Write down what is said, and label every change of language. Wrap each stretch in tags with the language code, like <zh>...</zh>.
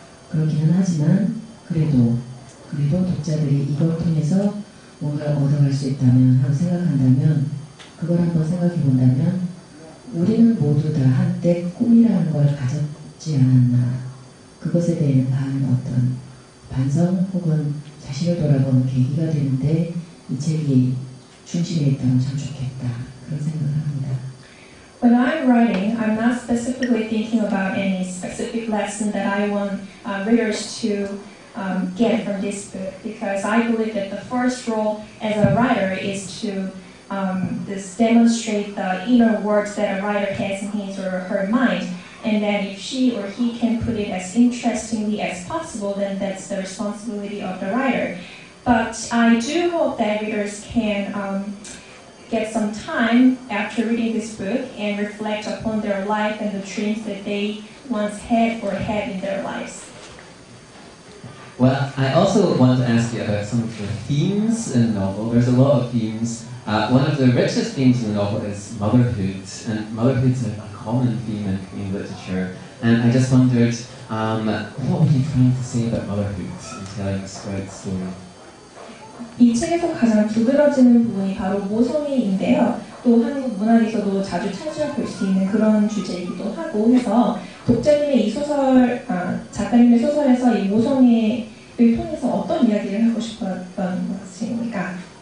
<ko>그렇기는 하지만 그래도 독자들이 이걸 통해서 뭔가 얻어갈 수 있다면 하고 생각한다면 그걸 한번 생각해 본다면 우리는 모두 다 한때 꿈이라는 걸 가졌지 않았나 그것에 대한 어떤 반성 혹은 자신을 돌아보는 계기가 되는데 이 책이 중심에 있다면 참 좋겠다 그런 생각을 합니다.</ko> <en>When I'm writing, I'm not specifically thinking about any specific lesson that I want readers to get from this book because I believe that the first role as a writer is to this demonstrate the inner works that a writer has in his or her mind. And that if she or he can put it as interestingly as possible, then that's the responsibility of the writer. But I do hope that readers can get some time after reading this book and reflect upon their life and the dreams that they once had or had in their lives. Well, I also want to ask you about some of the themes in the novel. There's a lot of themes. One of the richest themes in the novel is motherhood, and motherhood's a common theme in literature. And I just wondered, what were you trying to say about motherhood in telling Sprout's story?</en> <ko>이 책에서 가장 두드러지는 부분이 바로 모성애인데요. 또 한국 문학에서도 자주 찾아볼 수 있는 그런 주제이기도 하고 해서 독자님의 이 소설, 작가님의 소설에서 이 모성애를 통해서 어떤 이야기를 하고 싶었던 것입니까?</ko>